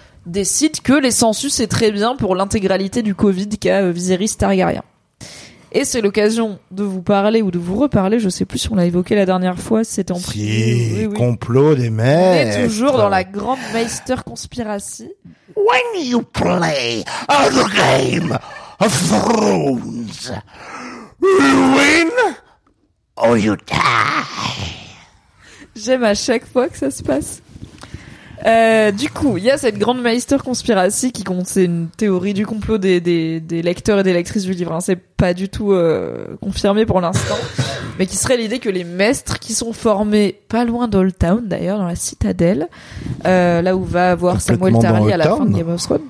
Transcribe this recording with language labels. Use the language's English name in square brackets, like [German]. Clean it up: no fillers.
[French] décide que les sangsues c'est très bien pour l'intégralité du Covid qu'a Viserys Targaryen. Et c'est l'occasion de vous parler ou de vous reparler, je sais plus si on l'a évoqué la dernière fois, si c'était en privé. Si, complot des maîtres. On est toujours dans la grande Meister Conspiracy. [English] When you play a game of thrones, you win or you die. [French] J'aime à chaque fois que ça se passe. Du coup, il y a cette grande Meister Conspiracy qui compte, c'est une théorie du complot des lecteurs et des lectrices du livre, hein. C'est pas du tout confirmé pour l'instant. mais qui serait l'idée que les maîtres qui sont formés pas loin d'Old Town, d'ailleurs, dans la citadelle, là où va avoir Samuel Tarly à la fin de Game of Thrones.